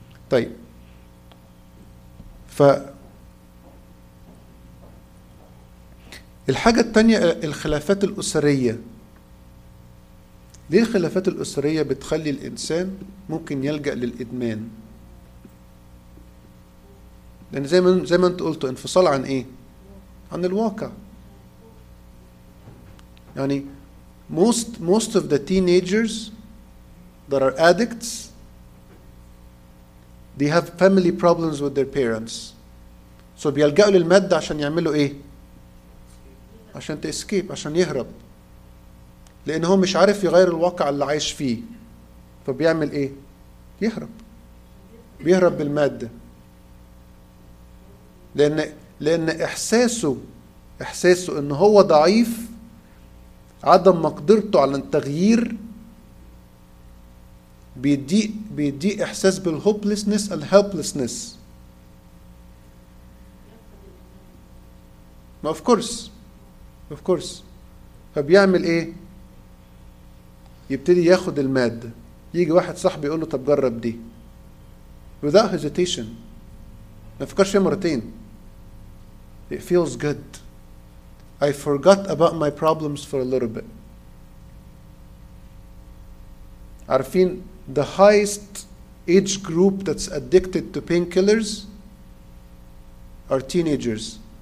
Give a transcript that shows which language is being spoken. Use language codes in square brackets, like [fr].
[ar] طيب فالحاجة التانية الخلافات الأسرية. ليه الخلافات الأسرية بتخلي الإنسان ممكن يلجأ للإدمان؟ لأن زي ما أنت قلت انفصال عن إيه؟ عن الواقع. يعني [en] most of the teenagers that are addicts they have family problems with their parents. [ar] سو بيلجأوا للمادة عشان يعملوا ايه؟ عشان تسكيب، عشان يهرب، لان هو مش عارف يغير الواقع اللي عايش فيه، فبيعمل ايه؟ يهرب، بيهرب بالمادة، لان احساسه ان هو ضعيف، عدم مقدرته على التغيير بيدي احساس بالهوبلسنس، الهوبلسنس. ما اوف كورس فبيعمل ايه؟ يبتدي ياخد الماده. يجي واحد صاحبي يقول له طب جرب دي، [en] without hesitation، [ar] ما فكرش فيها مرتين. [en] It feels good. I forgot about my problems for a little bit. [ar] عارفين [en] the highest age group that's addicted to painkillers are teenagers.